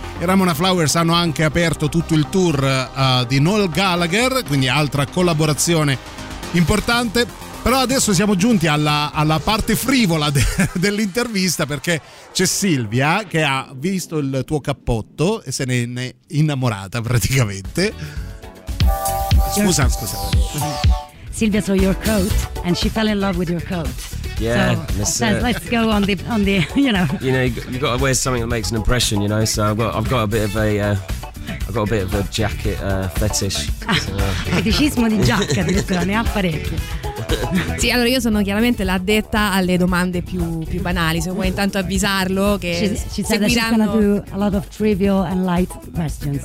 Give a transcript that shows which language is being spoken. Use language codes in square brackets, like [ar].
[it] e Ramona Flowers hanno anche aperto tutto il tour di Noel Gallagher, quindi altra collaborazione importante. Però adesso siamo giunti alla parte frivola dell'intervista, perché c'è Silvia che ha visto il tuo cappotto e se ne è innamorata praticamente. Scusa. [en] Silvia saw your coat and she fell in love with your coat. Yeah, so said, let's go on the you know you got to wear something that makes an impression, you know. So I've got a bit of a jacket fetish. [it] Feticismo di giacca, addirittura ne ha parecchio. Sì, allora io sono chiaramente l'addetta alle domande più banali. Se vuoi intanto avvisarlo che ci saranno [en] a lot of trivial and light questions.